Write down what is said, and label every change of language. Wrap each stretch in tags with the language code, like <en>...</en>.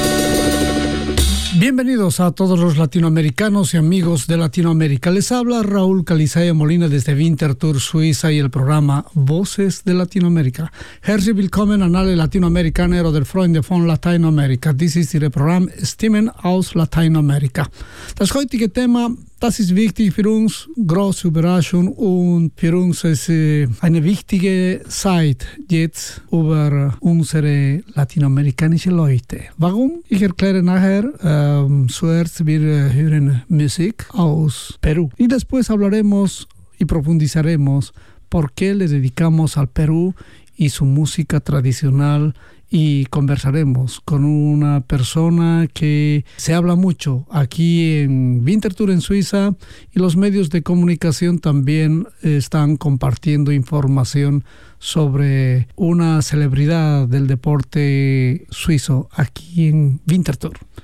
<es>Latinoamérica, bienvenidos. Bienvenidos a todos los latinoamericanos y amigos de Latinoamérica. Les habla Raúl Calizaya Molina desde Winterthur, Suiza, y el programa Voces de Latinoamérica.</es> <de>Herzlich willkommen an alle Latinoamericaner oder Freunde von Lateinamerika.</de> <en>This is the program</en> <de>Stimmen aus Lateinamerika. Das heutige Thema, das ist wichtig für uns, große Überraschung, und für uns ist eine wichtige Zeit jetzt über unsere lateinamerikanischen Leute. Warum? Ich erkläre nachher. Zuerst wir hören Musik aus Peru.</de> <es>Y después hablaremos y profundizaremos por qué le dedicamos al Perú y su música tradicional. Y conversaremos con una persona que se habla mucho aquí en Winterthur, en Suiza, y los medios de comunicación también están compartiendo información sobre una celebridad del deporte suizo aquí en Winterthur.</es>